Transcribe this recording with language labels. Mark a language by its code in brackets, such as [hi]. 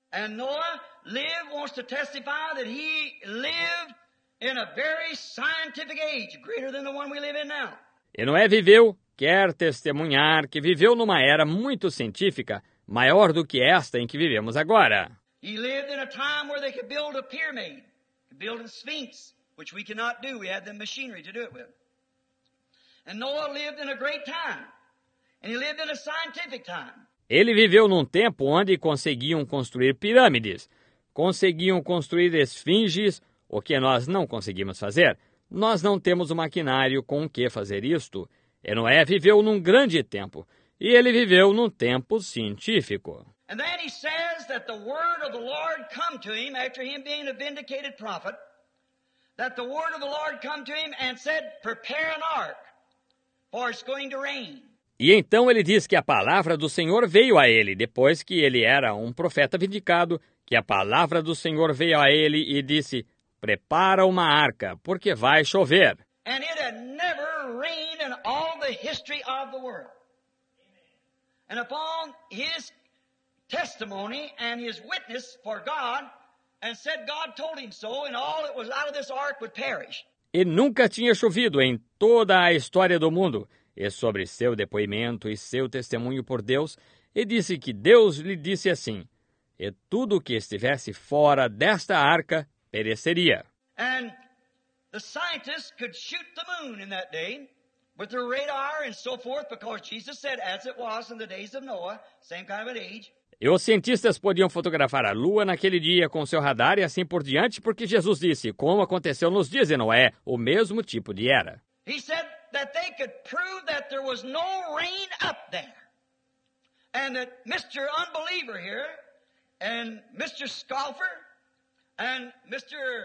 [en] And Noah lived, wants to testify that he lived in a very scientific age, greater than the one we live in now. [pt] E Noé viveu, quer testemunhar, que viveu numa era muito científica, maior do que esta em que vivemos agora. [en] He lived in a time where they could build a pyramid, could build a sphinx, which we cannot do. We had the machinery to do it with. And Noah lived in a great time. And he lived in a scientific time. [pt] Ele viveu num tempo onde conseguiam construir pirâmides, conseguiam construir esfinges, o que nós não conseguimos fazer. Nós não temos o maquinário com o que fazer isto. E Noé viveu num grande tempo. E ele viveu num tempo científico. [en] And then he says that the word of the Lord come to him after him being a vindicated prophet, that the word of the Lord come to him and said, prepare an ark, for it's going to rain. [pt] E então ele diz que a palavra do Senhor veio a ele, depois que ele era um profeta vindicado, que a palavra do Senhor veio a ele e disse, prepara uma arca, porque vai chover. [en] And it had never rained in all the history of the world. And upon his testimony and his witness for God, and said God told him so, and all that was out of this ark would perish. [pt] E nunca tinha chovido em toda a história do mundo. E sobre seu depoimento e seu testemunho por Deus, e disse que Deus lhe disse assim, e tudo o que estivesse fora desta arca pereceria. [en] And the scientists could shoot the moon in that day with their radar and so forth, because Jesus said, as it was in the days of Noah, same kind of an age. [pt] E os cientistas podiam fotografar a lua naquele dia com seu radar e assim por diante, porque Jesus disse, como aconteceu nos dias de Noé, o mesmo tipo de era. [en] He said that they could prove that there was no rain up there. And that Mr. Unbeliever here, and Mr. Scoffer, and Mr.